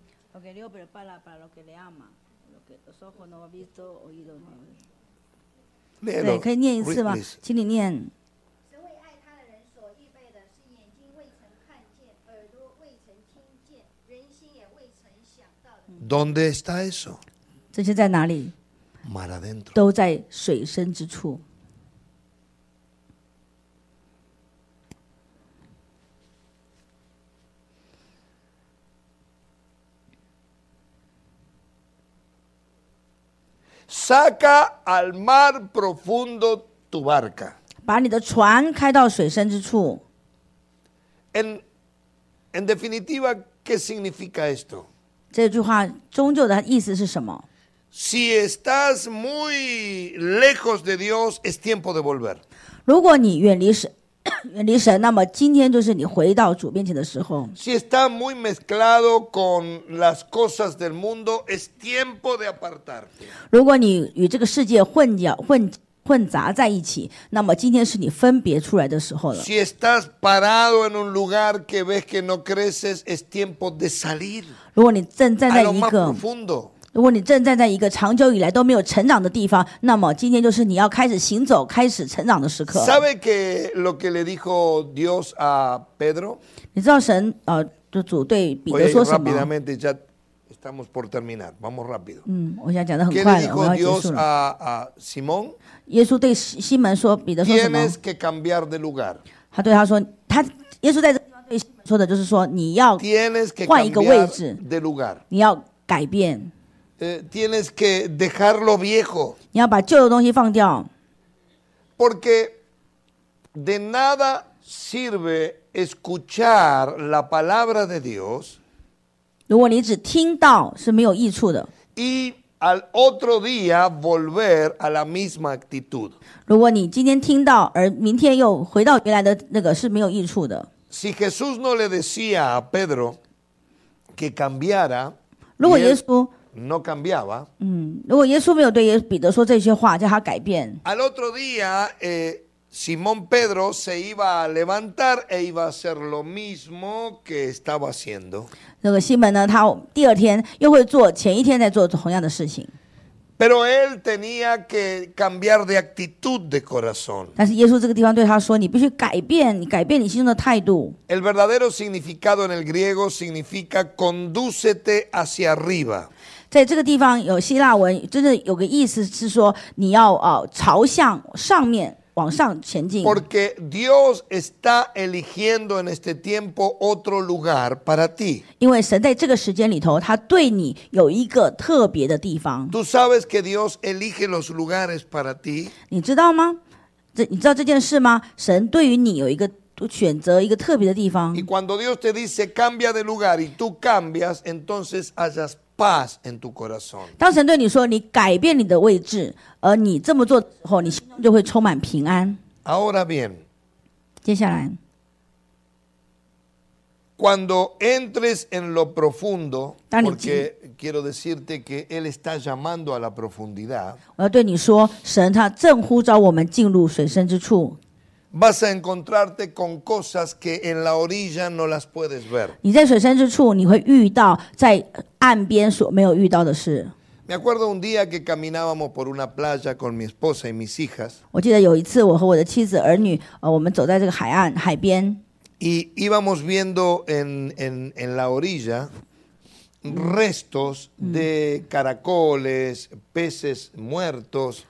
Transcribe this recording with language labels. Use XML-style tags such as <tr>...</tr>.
<es>Porque Dios prepara para lo que le ama Lo que los ojos no han visto oído no</es> <zh>对可以念一次吗请你念</zh> <es>¿Dónde está eso?</es> <zh>这些在哪里</zh> <es>Mar adentro.</es> <zh>都在水深之处。</zh> <es>Saca al mar profundo tu barca.</es> <zh>把你的船开到水深之处。</zh> <es>En definitiva, ¿qué significa esto?</es> <zh>这句话终究的意思是什么？</zh> <es>Si estás muy lejos de Dios, es tiempo de volver.</es> <zh>如果你远离神，远离神，那么今天就是你回到主面前的时候。</zh> <es>Si está muy mezclado con las cosas del mundo, es tiempo de apartar.</es> <zh>如果你与这个世界混杂在一起，那么今天是你分别出来的时候了。</zh> <es>Si estás parado en un lugar que ves que no creces, es tiempo de salir.</es> <zh>如果你正站在一个</zh> <es>más profundo.</es> <zh>如果你正站在一个长久以来都没有成长的地方，那么今天就是你要开始行走、开始成长的时刻。</zh> <es>¿Sabe que lo que le dijo Dios a Pedro?</es> <zh>你知道神主对彼得说什么？</zh> <es>Rápidamente, ya estamos por terminar. Vamos rápido.</es> <zh>我想讲得很快了，我要结束了。</zh> <es>¿Qué le dijo Dios a Simón?</es> <zh>耶稣对西门说，彼得说什么？</zh> <es>Tienes que cambiar de lugar.</es> <zh>他对他说，他耶稣在这地方对西门说的就是说，你要换一个位置，</zh> <es>de lugar.</es> <zh>你要改变。</zh> <es>Tienes que dejar lo viejo.</es> <zh>你要把旧的东西放掉。</zh> <es>Porque de nada sirve escuchar la palabra de Dios.</es> <zh>如果你只听到是没有益处的。</zh> <es>Y al otro día volver a la misma actitud.</es> <zh>如果你今天听到而明天又回到原来的那个是没有益处的。</zh> <es>Si Jesús no le decía a Pedro que cambiara.</es> <zh>如果耶稣</zh> <es>No cambiaba.</es> <zh>如果耶稣没有对彼得说这些话，叫他改变。</zh> <es>Al otro día, Simón Pedro se iba a levantar e iba a hacer lo mismo que estaba haciendo.</es> <zh>那个西门呢？他第二天又会做前一天在做同样的事情。</zh> <es>Pero él tenía que cambiar de actitud de corazón.</es> <zh>但是耶稣这个地方对他说：“你必须改变，你改变你心中的态度。”</zh> <es>El verdadero significado en el griego significa condúcete hacia arriba.</es> <zh>在这个地方有希腊文，真的有个意思是说，你要朝向上面往上前进。</zh> <es>Porque Dios está eligiendo en este tiempo otro lugar para ti。</es> <zh>因为神在这个时间里头，他对你有一个特别的地方。</zh> <es>Tú sabes que Dios elige los lugares para ti。</es> <zh>你知道吗？你知道这件事吗？神对于你有一个选择一个特别的地方。</zh> <es>Y cuando Dios te dice cambia de lugar y tú cambias, entonces hayas paz en tu corazón.</es> <zh>当神对你说你改变你的位置，而你这么做后，你心中就会充满平安。</zh> <es>Ahora bien,</es> <zh>接下来</zh> <es>cuando entres en lo profundo, porque quiero decirte que él está llamando a la profundidad.</es> <zh>我要对你说，神他正呼召我们进入水深之处。</zh> <es>Vas a encontrarte con cosas que en la orilla no las puedes ver.</es> <zh>你在水深之处，你会遇到在岸边所没有遇到的事。</zh> <es>Me acuerdo un día que caminábamos por una playa con mi esposa y mis hijas.</es> <zh>我记得有一次，我和我的妻子、儿女，我们走在这个海岸海边。</zh> <es>Y íbamos viendo en la orilla restos de caracoles, peces muertos.</es>